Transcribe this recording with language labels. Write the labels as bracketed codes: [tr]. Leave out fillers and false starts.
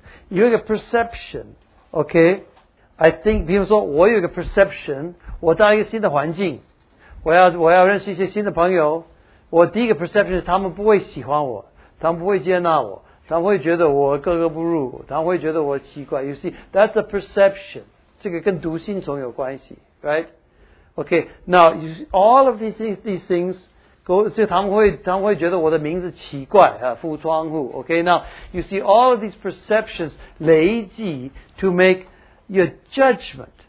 [zh] 有一个 perception [en] okay I think [zh] 比如说我有一个 perception 我到一个新的环境我要认识一些新的朋友我第一个 perception 是他们不会喜欢我，他们不会接纳我，他们会觉得我格格不入，他们会觉得我奇怪。 [en] You see, that's a perception. [zh] 这个跟读心术有关系 [en] ，right? Okay, now you see, all of these things go. [zh] 这他们会觉得我的名字奇怪啊，富窗户。 [en] Okay, now you see all of these perceptions [zh] 累积 [en] to make your judgment.